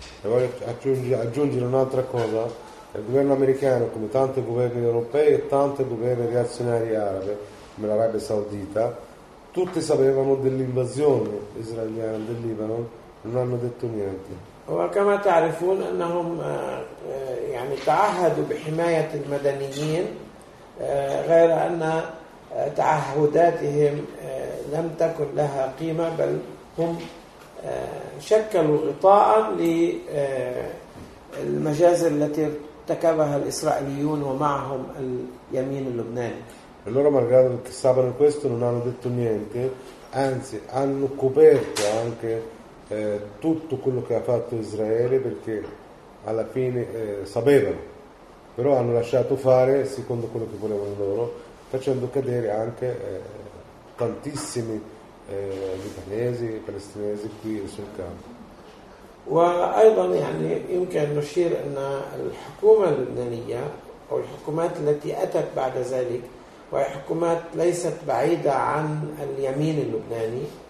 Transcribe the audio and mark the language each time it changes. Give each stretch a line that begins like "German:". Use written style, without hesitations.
Italian: Aggiungere un'altra cosa: il governo americano, come tanti governi europei e tanti governi reazionari arabi come l'Arabia Saudita, tutti sapevano dell'invasione israeliana del Libano, non hanno detto niente.
Arabic: وكما تعرفون أنهم يعني تعهدوا بحماية المدنيين غير أن تعهداتهم لم تكن لها قيمة بل هم شكلوا غطاء للمجازر التي ارتكبها الإسرائيليون ومعهم اليمين اللبناني.
Italian: Loro malgrado che sapevano questo non hanno detto niente, anzi hanno coperto anche tutto quello che ha fatto Israele, perché alla fine sapevano, però hanno lasciato fare secondo quello che volevano loro, facendo cadere anche tantissimi libanesi e palestinesi qui sul campo.
Arabic: وأيضاً يعني يمكن نشير أن الحكومة اللبنانية أو الحكومات التي أتت بعد ذلك وهي حكومات ليست بعيدة عن اليمين اللبناني